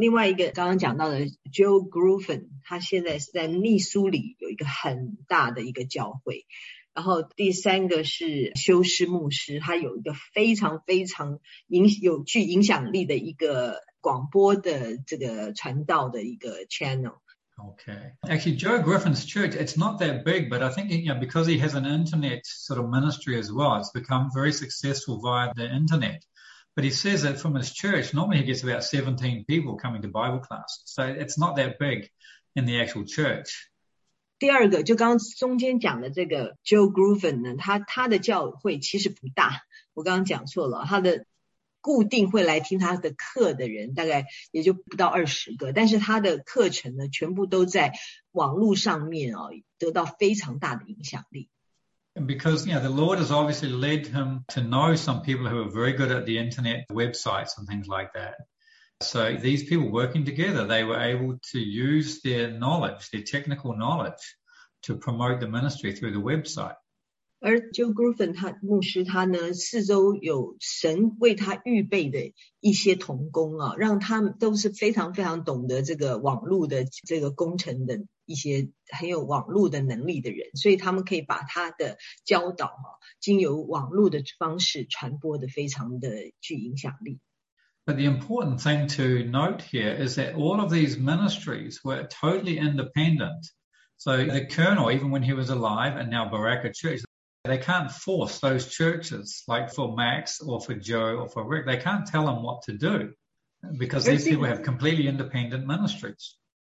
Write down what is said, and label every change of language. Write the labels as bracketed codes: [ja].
[zh] 而这些人呢，他们现在呢，都随着这个跟着上校牧师的学习成长之后呢，现在也都各自一方霸主啊。像Max呢，他也是一个很成功的传教士，然后现在人也在泰国。另外一个刚刚讲到的Joe Gruffin， 他现在是在密苏里有一个很大的一个教会。然后第三个是休斯牧师，他有一个非常非常有具影响力的一个。广播的这个传道的一个 channel. [en] Okay, actually, Joe Griffin's church—it's not that big, but I think, you know, because he has an internet sort of ministry as well, it's become very successful via the internet. But he says that from his church, normally he gets about 17 people coming to Bible class. So it's not that big in the actual church. [zh] 第二个, 就刚中间讲的这个 Joe Groovin 呢, 他的教会其实不大, 我刚刚讲错了, 他的固定会来听他的课的人, 大概也就不到20个, 但是他的课程呢, 全部都在网络上面, 哦, 得到非常大的影响力。 [en] And because, you know, the Lord has obviously led him to know some people who are very good at the internet websites and things like that. So these people working together, they were able to use their knowledge, their technical knowledge, to promote the ministry through the website. [zh] 而 Joe Groovin 他, 牧师他呢, 四周有神为他预备的一些同工啊, 让他们都是非常非常懂得这个网络的这个工程的。一些很有网络的能力的人, 所以他们可以把他的教导, 经由网络的方式传播得非常的具影响力。 [en] But the important thing to note here is that all of these ministries were totally independent. So the colonel, even when he was alive, and now Baraka Church, they can't force those churches, like for Max or for Joe or for Rick, they can't tell them what to do because these people have completely independent ministries.